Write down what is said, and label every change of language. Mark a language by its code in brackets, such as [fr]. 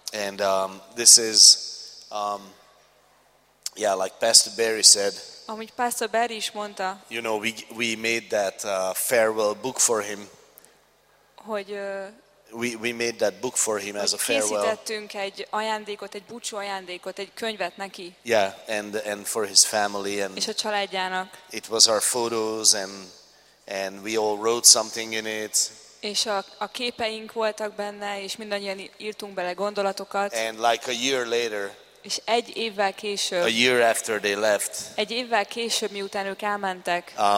[en] And this is, yeah, like Pastor Barry said, [hu] amit Pastor Barry is mondta, [en] you know, we made that farewell book for him, [hu] hogy [en] We made that book for him as a farewell. [hu] Készítettünk egy ajándékot, egy búcsú ajándékot, egy könyvet neki. [en] Yeah, and for his family and. [hu] És a családjának. [en] It was our photos and we all wrote something in it. [hu] És a képeink voltak benne, és mindannyian írtunk bele gondolatokat. [en] And like a year later. [hu] És egy évvel később. [en] A year after they left. [hu] Egy évvel később, miután ők elmentek.